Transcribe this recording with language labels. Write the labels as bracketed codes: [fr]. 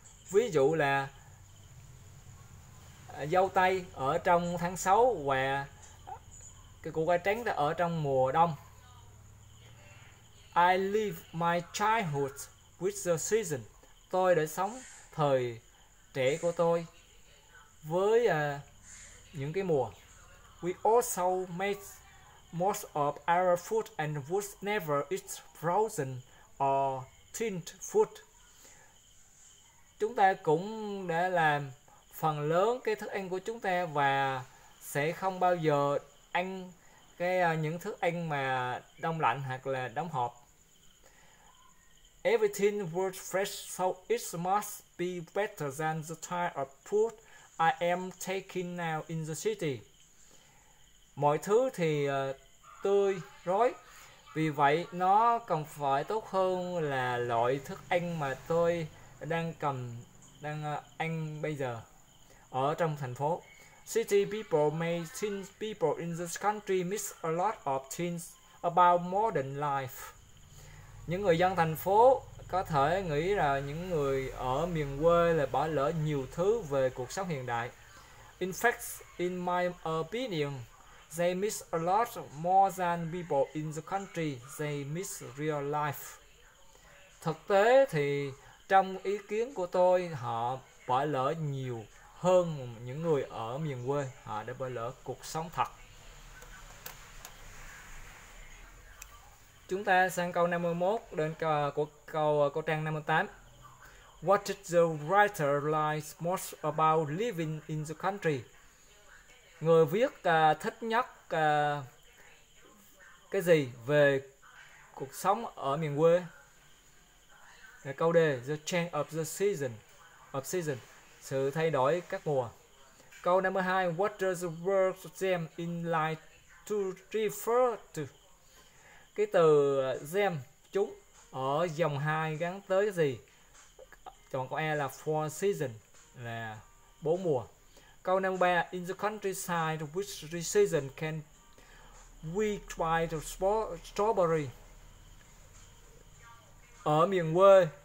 [vi] Ví dụ là dâu tây ở trong tháng 6 và cái củ cải trắng ở trong mùa đông. [en] I live my childhood with the season. [vi] Tôi đã sống thời trẻ của tôi với những cái mùa. [en] We also made most of our food and would never eat frozen or tinned food. [vi] Chúng ta cũng đã làm phần lớn cái thức ăn của chúng ta và sẽ không bao giờ ăn cái những thức ăn mà đông lạnh hoặc là đóng hộp. [en] Everything was fresh, so it must be better than the type of food I am taking now in the city. [vi] Mọi thứ thì tươi rói, vì vậy nó cần phải tốt hơn là loại thức ăn mà tôi đang ăn bây giờ ở trong thành phố. [en] City people may think people in this country miss a lot of things about modern life. [vi] Những người dân thành phố có thể nghĩ là những người ở miền quê là bỏ lỡ nhiều thứ về cuộc sống hiện đại. [en] In fact, in my opinion, they miss a lot more than people in the country. They miss real life. [vi] Thực tế thì trong ý kiến của tôi, họ bỏ lỡ nhiều hơn những người ở miền quê, họ đã bỏ lỡ cuộc sống thật. Chúng ta sang câu 51 đến câu trang 58. [en] What did the writer like most about living in the country? [vi] Người viết thích nhất cái gì về cuộc sống ở miền quê? Câu D, [en] the change of the season. [vi] Sự thay đổi các mùa. [en] Câu 52, what does the word them in like to refer to? [vi] Cái từ them, chúng, ở dòng 2 gắn tới cái gì? Chọn câu E là [en] four season, [vi] là bốn mùa. [en] Câu 53, in the countryside, which season can we try to strawberry? [vi] Ở miền quê